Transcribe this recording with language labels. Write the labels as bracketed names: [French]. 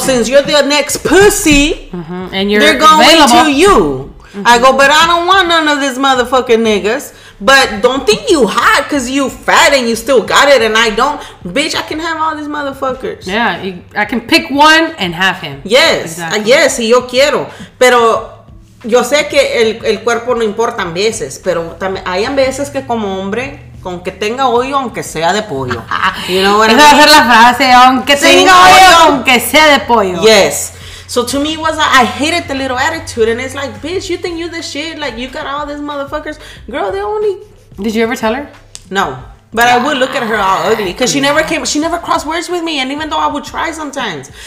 [English] So since you're the next pussy, mm-hmm. and you're available. They're going to you. Mm-hmm. I go, but I don't want none of these motherfucking niggas. But don't think you hot because you fat and you still got it and I don't. Bitch, I can have all these motherfuckers. Yeah, I can pick one and have him. Yes, exactly. Yes, [Spanish] y yo quiero. Pero yo sé que el cuerpo no importa a veces, pero también hay veces que como hombre, con que tenga hoyo, aunque sea de pollo. [English] You know what I mean? [Spanish] Esa va a ser la frase, aunque tenga hoyo, aunque sea de pollo. [English] Yes. So to me, I hated the little attitude, and it's like, bitch, you think you the shit? Like, you got all these motherfuckers. Girl, they only... Did you ever tell her? No. But yeah. I would look at her all ugly, because she never crossed words with me, and even though I would try sometimes.